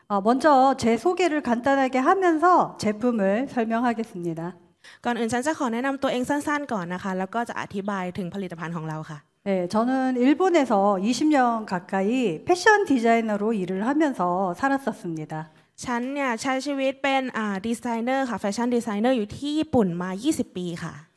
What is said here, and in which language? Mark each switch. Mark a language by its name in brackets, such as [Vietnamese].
[Korean] 먼저 제 소개를 간단하게 하면서 제품을 설명하겠습니다. [Thai] ก่อนอื่นฉันจะขอแนะนำตัวเองสั้นๆก่อนนะคะแล้วก็จะอธิบายถึงผลิตภัณฑ์ของเราค่ะ [Korean] 네, 저는 일본에서 20년 가까이 패션 디자이너로 일을 하면서 살았었습니다. [Thai] ฉันเนี่ยใช้ชีวิตเป็นดีไซเนอร์ค่ะแฟชั่นดีไซเนอร์อยู่ที่ญี่ปุ่นมา20ปีค่ะ